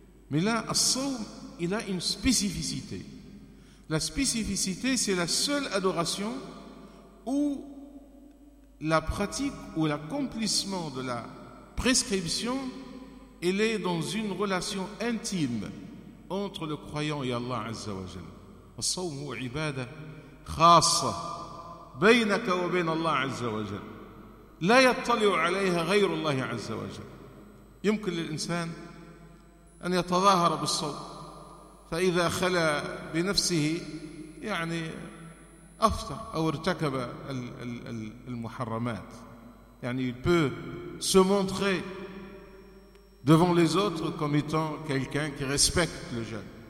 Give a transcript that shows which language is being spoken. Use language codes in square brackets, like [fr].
[fr] Mais là, il a une spécificité. La spécificité, c'est la seule adoration où la pratique ou l'accomplissement de la prescription, il est dans une relation intime entre le croyant et Allah Azza wa Jal. [ar] الصوم هو عبادة خاصة بينك وبين الله عز وجل لا يطلع عليها غير الله عز وجل. يمكن للإنسان أن يتظاهر بالصوم فإذا خلى بنفسه يعني أفطر أو ارتكب المحرمات يعني [fr] il peut se montrer devant les autres comme étant quelqu'un qui respecte le jeûne.